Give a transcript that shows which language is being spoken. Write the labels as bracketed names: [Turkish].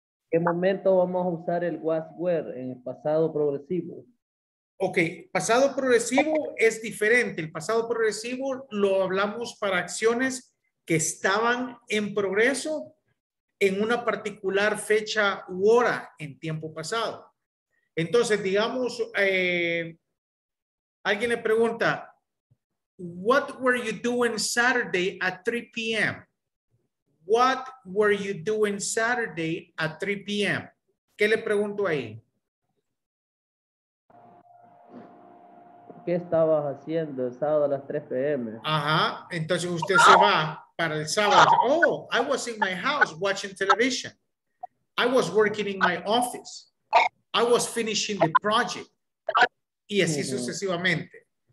[Spanish] ¿En qué momento vamos a usar el was where? ¿En el pasado progresivo? Ok, pasado progresivo es diferente. El pasado progresivo lo hablamos para acciones que estaban en progreso en una particular fecha u hora en tiempo pasado. Entonces, digamos, alguien le pregunta, [English] what were you doing Saturday at 3 p.m.? What were you doing Saturday at 3 p.m.? [Spanish] ¿Qué le pregunto ahí? ¿Qué estabas haciendo el sábado a las 3 p.m.? Ajá, entonces usted se va para el sábado. [English] Oh, I was in my house watching television. I was working in my office. I was finishing the project. [Spanish] Y así sucesivamente.